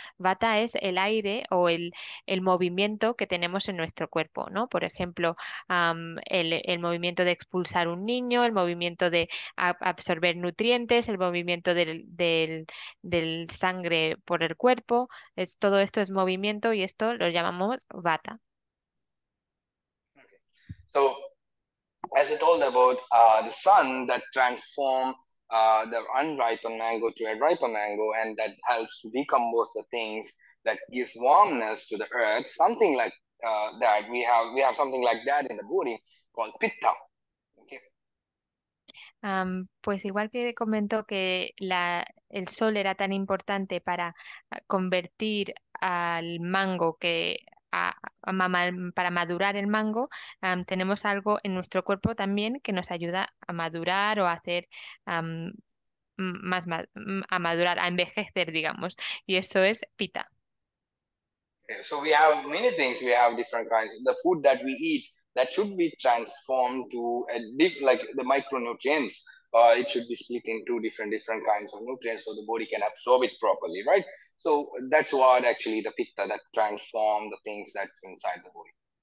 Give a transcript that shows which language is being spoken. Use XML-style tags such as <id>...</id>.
<es>Vata es el aire o el movimiento que tenemos en nuestro cuerpo, ¿no? Por ejemplo, el movimiento de expulsar un niño, el movimiento de absorber nutrientes, el movimiento del sangre por el cuerpo. Todo esto es movimiento y esto lo llamamos vata.</es> <en>So, as I told about the sun that transform the unripe mango to a ripe mango, and that helps to decompose the things that gives warmness to the earth. Something like that we have something like that in the body called pitta.</en> <es>Pues igual que comentó que el sol era tan importante para convertir al mango que para madurar el mango, tenemos algo en nuestro cuerpo también que nos ayuda a madurar o a hacer más ma a madurar, a envejecer, digamos, y eso es pita.</es> <en>Okay, so we have many things, we have different kinds. The food that we eat that should be transformed to a like the micronutrients, it should be split into different kinds of nutrients so the body can absorb it properly, right? So that's what actually the pitta that transform the things that's inside the body.</en>